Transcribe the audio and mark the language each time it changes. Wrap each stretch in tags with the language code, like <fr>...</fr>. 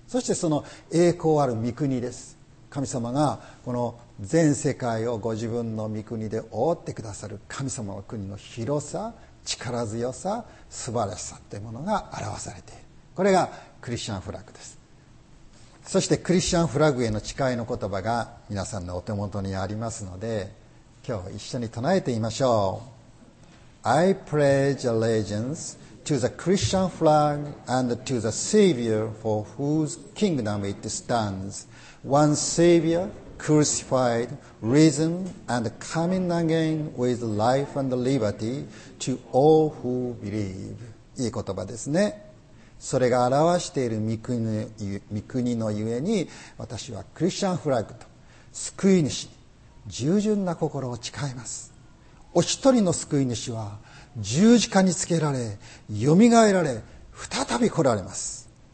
<ja>そしてその栄光ある御国です。神様がこの全世界をご自分の御国で覆ってくださる神様の国の広さ、力強さ、素晴らしさというものが表されている。これがクリスチャンフラッグです。そしてクリスチャンフラッグへの誓いの言葉が皆さんのお手元にありますので、今日一緒に唱えてみましょう。</ja> <en>I pledge allegiance to the Christian flag and to the Savior for whose kingdom it stands, one Savior crucified, risen, and coming again with life and liberty to all who believe.</en> <ja>いい言葉ですね。それが表している御国のゆえに、私はクリスチャンフラッグと救い主に従順な心を誓います。お一人の救い主は十字架につけられ、よみがえられ、再び来られます。</ja>